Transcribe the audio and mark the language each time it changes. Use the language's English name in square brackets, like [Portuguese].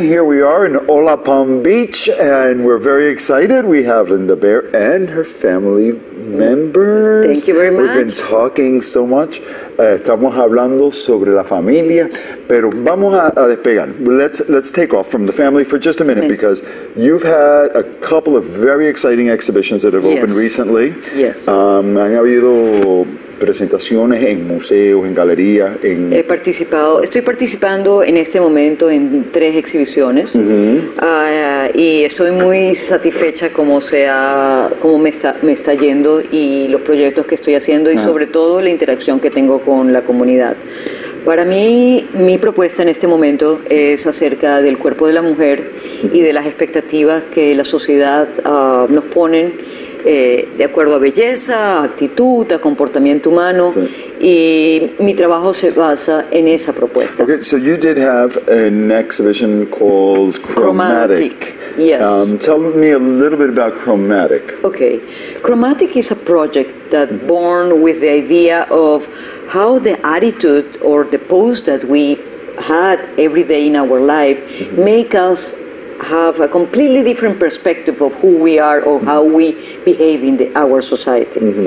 [English] Here we are in Hola, Palm Beach, and we're very excited. We have Linda Behar and her family members. Thank you very much. We've been talking so much. [Spanish] Estamos hablando sobre la familia, pero vamos a despegar. [English] Let's take off from the family for just a minute, okay. Because you've had a couple of very exciting exhibitions that have opened recently. Yes. [Spanish] Han habido presentaciones en museos, en galerías, en... He participado, estoy participando en este momento en tres exhibiciones. Y estoy muy satisfecha cómo me está yendo y los proyectos que estoy haciendo y sobre todo la interacción que tengo con la comunidad. Para mí, mi propuesta en este momento es acerca del cuerpo de la mujer y de las expectativas que la sociedad nos ponen. De acuerdo a belleza, a actitud, a comportamiento humano, y mi trabajo se basa en esa propuesta. [English] Okay, so you did have an exhibition called Chromatic. Yes. Tell me a little bit about Chromatic. Okay, Chromatic is a project that born with the idea of how the attitude or the pose that we had every day in our life make us have a completely different perspective of who we are or how we behave in our society.